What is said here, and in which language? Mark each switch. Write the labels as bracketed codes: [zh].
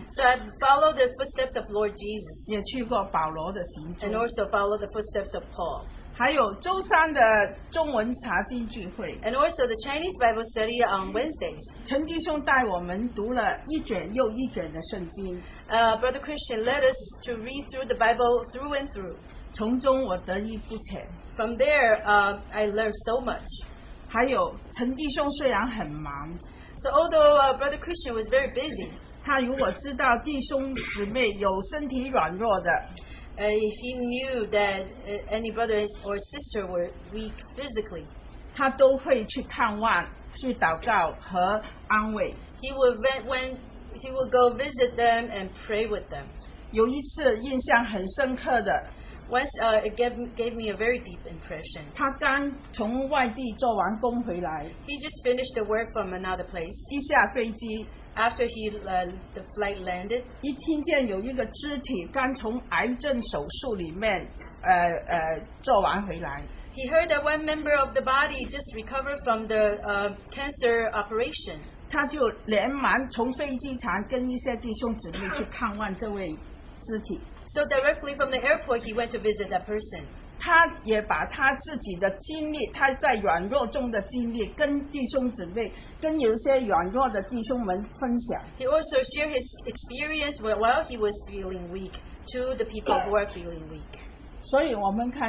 [en] so I followed the footsteps of Lord Jesus, [zh] 也去过保罗的行踪, [en] and also followed the footsteps of Paul, [zh] 还有周三的中文查经聚会, [en] and also the Chinese Bible study on Wednesdays. [zh] 陈弟兄带我们读了一卷又一卷的圣经, [en] Brother Christian led us to read through the Bible through and through. From there, I learned so much. [zh] 还有陈弟兄虽然很忙, [en] so although Brother Christian was very busy, [zh] 他如果知道弟兄姊妹有身体软弱的, [en] if he knew that any brother or sister were weak physically, [zh] 他都会去探望, 去祷告和安慰, [en] he would go visit them and pray with them. [zh] 有一次印象很深刻的, [en] once it gave me a very deep impression. [zh] 他刚从外地做完工回来, [en] he just finished the work from another place. [zh] 一下飞机, [en] after he the flight landed, [zh] 一听见有一个肢体刚从癌症手术里面, [en] he heard that one member of the body just recovered from the cancer operation. [zh] 他就连忙从飞机场跟一些弟兄姊妹去看望这位 肢体, [en] so directly from the airport, he went to visit that person. [zh] 他也把他自己的经历, 他在软弱中的经历, 跟弟兄姊妹, 跟有些软弱的弟兄们分享, [en] he also shared his experience while he was feeling weak to the people who are feeling weak.